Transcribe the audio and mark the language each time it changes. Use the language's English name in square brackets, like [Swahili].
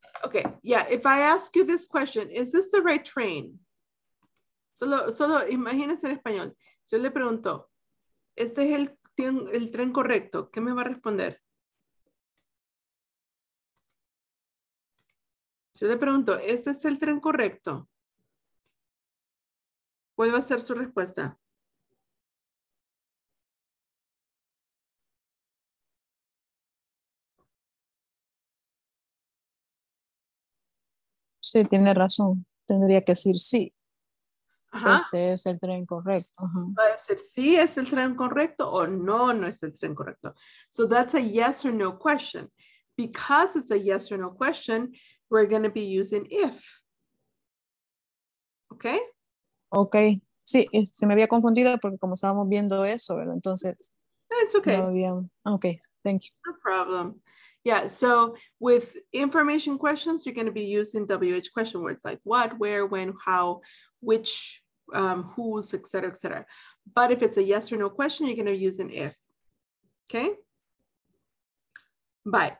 [English] Okay, yeah, if I ask you this question, is this the right train? [Spanish] Solo imagínese en español. Si yo le pregunto, ¿este es el tren correcto? ¿Qué me va a responder? Si yo le pregunto, ¿este es el tren correcto? ¿Cuál va a ser su respuesta? Sí, tiene razón. Tendría que decir sí. Ajá. Este es el tren correcto. Va a decir sí es el tren correcto o no es el tren correcto. [English] So that's a yes or no question. Because it's a yes or no question, we're going to be using if. Okay? Okay. [Spanish] Sí, se me había confundido porque como estábamos viendo eso, ¿verdad? Entonces. [English] It's okay. [Spanish] No había... [English] Okay, thank you. No problem. Yeah, so with information questions, you're going to be using WH question words like what, where, when, how, which, whose, et cetera, et cetera. But if it's a yes or no question, you're going to use an if. Okay? Bye.